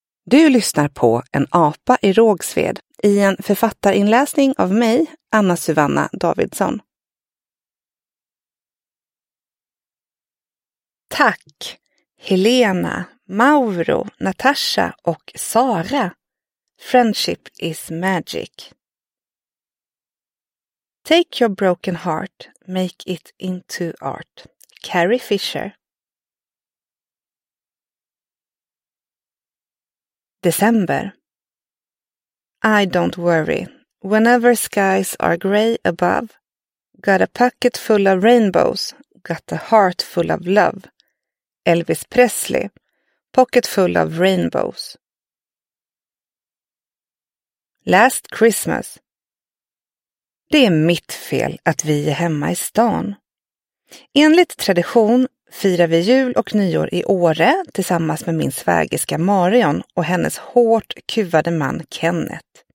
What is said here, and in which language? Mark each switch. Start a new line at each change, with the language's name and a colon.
Swedish: Du lyssnar på En apa i Rågsved i en författarinläsning av mig, Anna Susanna Davidsson. Tack, Helena, Mauro, Natasha och Sara.
English: Friendship is magic. Take your broken heart, make it into art. Carrie Fisher. December. I don't worry. Whenever skies are gray above, got a pocket full of rainbows, got a heart full of love. Elvis Presley. Pocket full of rainbows. Last Christmas.
Swedish: Det är mitt fel att vi är hemma i stan. Enligt tradition firar vi jul och nyår i Åre tillsammans med min svägerska Marion och hennes hårt kuvade man Kenneth.